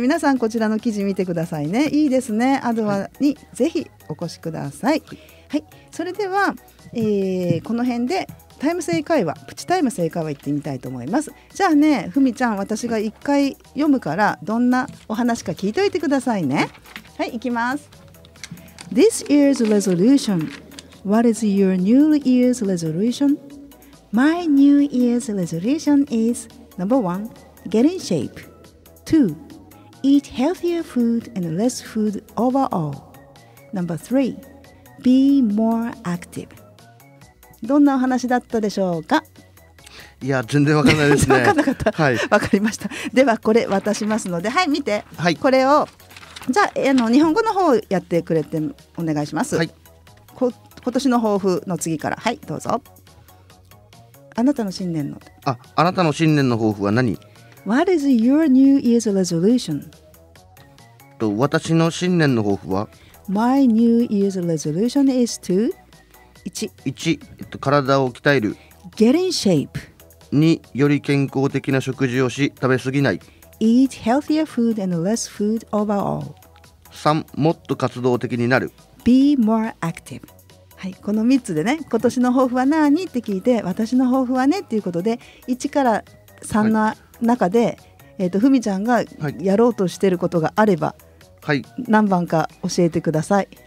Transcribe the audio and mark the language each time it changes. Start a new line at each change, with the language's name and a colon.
Japanese: 皆さんこちらの記事見てくださいね。いいですね、アドアにぜひお越しください、はい、はい、それでは、この辺でタイム正解はプチタイム正解は行ってみたいと思います。じゃあね、ふみちゃん、私が一回読むからどんなお話か聞いておいてくださいね。はい、行きます。
English: This year's resolution. What is your new year's resolution? My new year's resolution is number one, get in shape. Two, eat healthier food and less food overall. Number three, be more active.
Japanese: どんなお話だったでしょうか？いや全然わからないですね。わかんなかった。はい、わかりました。ではこれ渡しますので、はい見て。はい、これをじゃあ、日本語の方をやってくれてお願いします。はい。今年の抱負の次から、はいどうぞ。あなたの新年の。あなたの新年の抱負は何？
English: What is your New Year's resolution？
Japanese: と私の新年の抱負は。
English: My New Year's resolution is to
Japanese: 1、体を鍛える。
English: Get in shape。
Japanese: 2、より健康的な食事をし食べ過ぎない。
English: Eat healthier food and less food overall。
Japanese: 3、もっと活動的になる。
English: Be more active。
Japanese: はい、この3つでね、今年の抱負は何って聞いて、私の抱負はねっていうことで、1から3の中で、はい、ふみちゃんがやろうとしてることがあれば、はい、何番か教えてください。